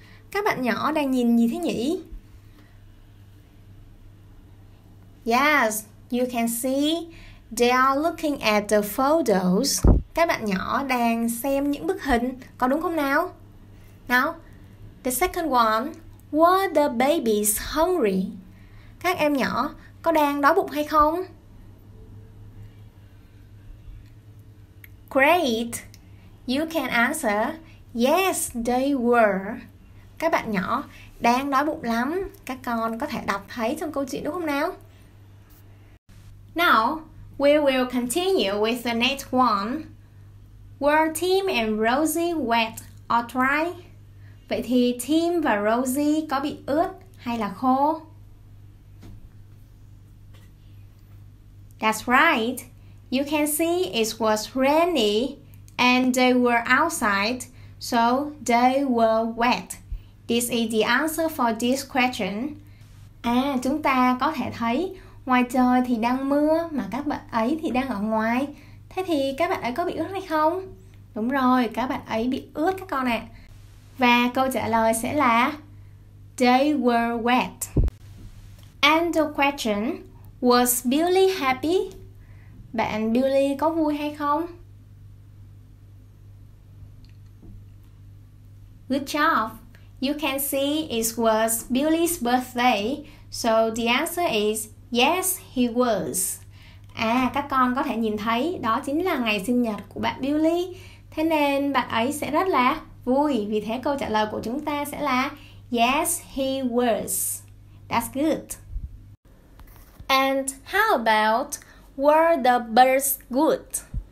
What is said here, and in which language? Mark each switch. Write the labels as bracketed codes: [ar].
[vi] Các bạn nhỏ đang nhìn gì thế nhỉ? [en] Yes, you can see they are looking at the photos. [vi] Các bạn nhỏ đang xem những bức hình, có đúng không nào? [en] Now, the second one, were the babies hungry? [vi] Các em nhỏ có đang đói bụng hay không? [en] Great! You can answer, yes, they were. [vi] Các bạn nhỏ đang đói bụng lắm. Các con có thể đọc thấy trong câu chuyện đúng không nào? [en] Now, we will continue with the next one. Were Tim and Rosie wet or dry? [vi] Vậy thì Tim và Rosie có bị ướt hay là khô? [en] That's right. You can see it was rainy and they were outside, so they were wet. This is the answer for this question. [vi] À, chúng ta có thể thấy ngoài trời thì đang mưa mà các bạn ấy thì đang ở ngoài. Thế thì các bạn ấy có bị ướt hay không? Đúng rồi, các bạn ấy bị ướt các con ạ. À. Và câu trả lời sẽ là [en] they were wet. And the question, was Billy happy? [vi] Bạn Billy có vui hay không? [en] Good job! You can see it was Billy's birthday, so the answer is yes, he was. [vi] À, các con có thể nhìn thấy đó chính là ngày sinh nhật của bạn Billy. Thế nên bạn ấy sẽ rất là vui, vì thế câu trả lời của chúng ta sẽ là [en] yes, he was. That's good. And how about were the birds good?